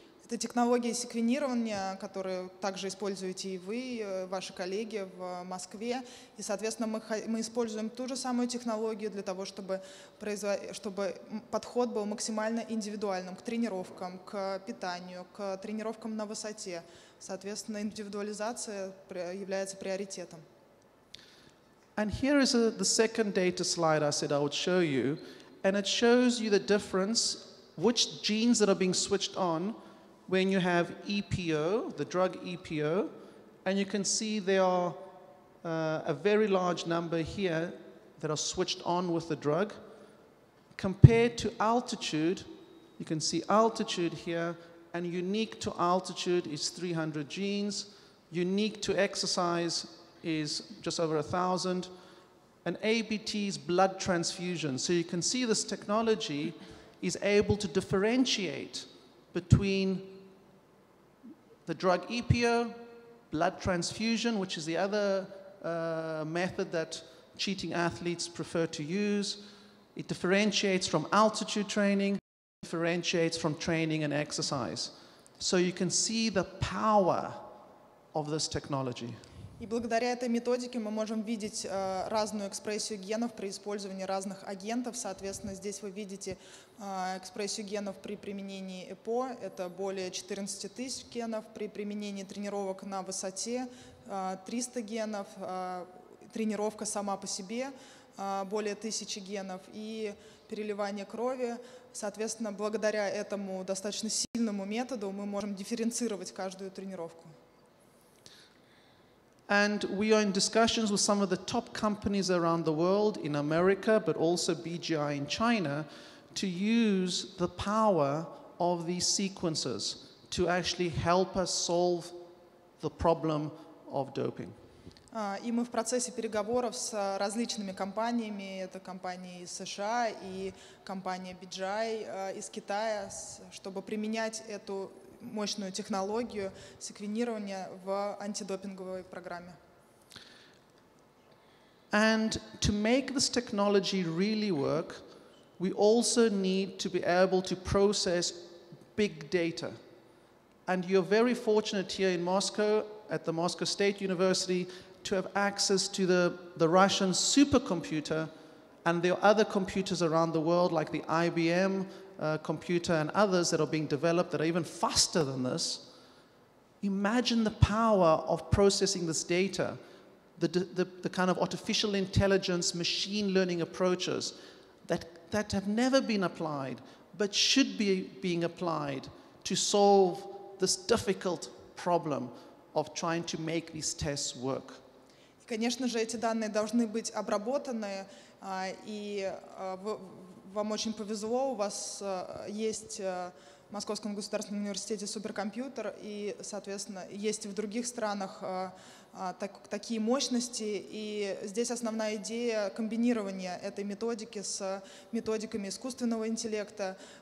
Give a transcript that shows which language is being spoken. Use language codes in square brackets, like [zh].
[ru] Это технология секвенирования, которую также используете и вы, ваши коллеги в Москве. И, соответственно, мы используем ту же самую технологию для того, чтобы подход был максимально индивидуальным к тренировкам, к питанию, к тренировкам на высоте. Соответственно, индивидуализация является приоритетом. [en] And here is the second data slide I said I would show you. And it shows you the difference, which genes that are being switched on when you have EPO, the drug EPO, and you can see there are a very large number here that are switched on with the drug. Compared to altitude, you can see altitude here, and unique to altitude is 300 genes. Unique to exercise is just over 1,000. And ABT is blood transfusion. So you can see this technology is able to differentiate between the drug EPO, blood transfusion, which is the other method that cheating athletes prefer to use. It differentiates from altitude training, differentiates from training and exercise. So you can see the power of this technology. [ru] И благодаря этой методике мы можем видеть разную экспрессию генов при использовании разных агентов. Соответственно, здесь вы видите экспрессию генов при применении ЭПО. Это более 14 тысяч генов. При применении тренировок на высоте 300 генов. Тренировка сама по себе более 1000 генов. И переливание крови. Соответственно, благодаря этому достаточно сильному методу мы можем дифференцировать каждую тренировку. [en] And we are in discussions with some of the top companies around the world, in America, but also BGI in China, to use the power of these sequences to actually help us solve the problem of doping. [ru] И мы в процессе переговоров с различными компаниями, это компании из США и компания BGI из Китая, чтобы применять эту мощную технологию секвенирования в антидопинговой программе. [en] And to make this technology really work, we also need to be able to process big data. And you're very fortunate here in Moscow, at the Moscow State University, to have access to the Russian supercomputer, and there are other computers around the world, like the IBM, computer and others that are being developed that are even faster than this. Imagine the power of processing this data, the kind of artificial intelligence, machine learning approaches that have never been applied but should be being applied to solve this difficult problem of trying to make these tests work. [ru] Конечно же, эти данные должны быть обработаны, и вам очень повезло, у вас есть в Московском государственном университете суперкомпьютер, и, соответственно, есть в других странах такие мощности, и здесь основная идея комбинирования этой методики с методиками искусственного интеллекта,